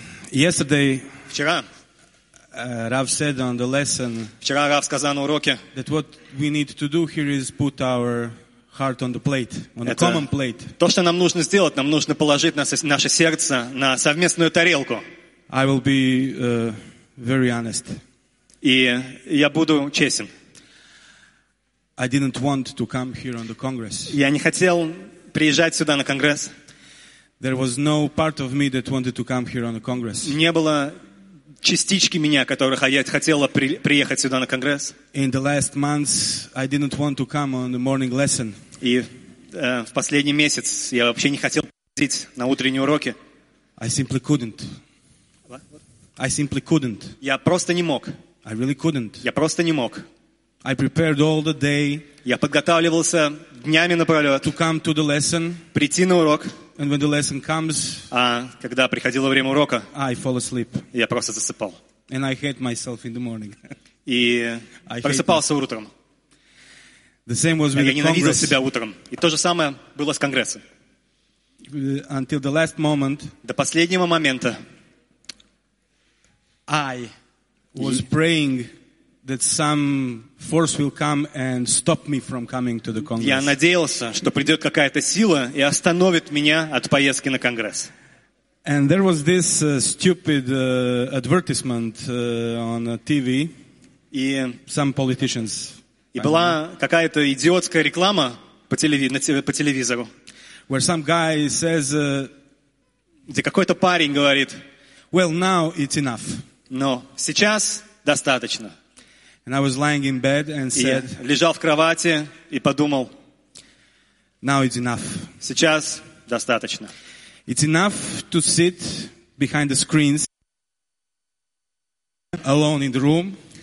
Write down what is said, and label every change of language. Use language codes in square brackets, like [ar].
[en] Yesterday, [ru] вчера, [en] Rav said on the lesson, [ru] вчера Рав сказал на уроке, [en] that what we need to do here is put our heart on the plate, on the common plate. [ru] То, что нам нужно сделать, нам нужно положить наше сердце на совместную тарелку. [en] I will be very honest. [ru] И я буду честен. [en] I didn't want to come here on the congress. [ru] Я не хотел приезжать сюда на конгресс. [en] There was no part of me that wanted to come here on the congress. [ru] Не было частички меня, которых я хотела приехать сюда на конгресс. [en] In the last months, I didn't want to come on the morning lesson. [ru] И в последний месяц я вообще не хотел приходить на утренние уроки. [en] I simply couldn't. What? I simply couldn't. [ru] Я просто не мог. [en] I really couldn't. [ru] Я просто не мог. [en] I prepared all the day. [ru] Я подготавливался днями напролет. [en] To come to the lesson. [ru] Прийти на урок. [en] And when the lesson comes, [ru] когда приходило время урока, [en] I fall asleep. [ru] Я просто засыпал. [en] And I hate myself in the morning. [ru] И I просыпался утром. [en] The same was with the congress. [ru] Я ненавидел себя утром. И то же самое было с конгрессом. [en] Until the last moment, [ru] до последнего момента, [en] I was praying that some force will come and stop me from coming to the congress. [ru] Я надеялся, что придет какая-то сила и остановит меня от поездки на конгресс. [en] And there was this stupid advertisement on TV. [ru] И [en] some politicians. [ru] И была какая-то идиотская реклама по телевизору. [en] Where some guy says, [ru] где какой-то парень говорит, [en] well, now it's enough. [ru] Но сейчас достаточно. [en] And I was lying in bed and said, [ru] и лежал в кровати и подумал, [en] now it's enough. [ru] Сейчас достаточно. [en] It's enough to sit behind the screens alone in the room.